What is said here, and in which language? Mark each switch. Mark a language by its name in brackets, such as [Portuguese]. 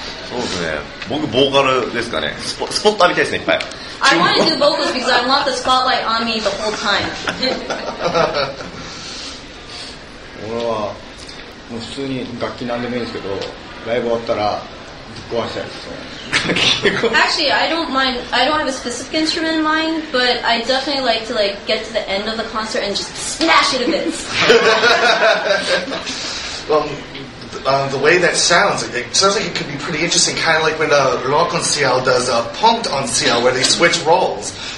[Japanese] そうですね、僕ボーカルですかね。スポット浴びたいですね、いっぱい。 [English] I want to do vocals because I want the spotlight on me the whole time. [Japanese] 俺はもう普通に楽器なんでもいいんですけど、ライブ終わったらぶっ壊したいです。 [English] Actually, I don't mind. I don't have a specific instrument in mind, but I definitely like to like get to the end of the concert and just smash it to bits. The way that sounds, it sounds like it could be pretty interesting, kind of like when a rock on CL does a punk on CL where they switch roles.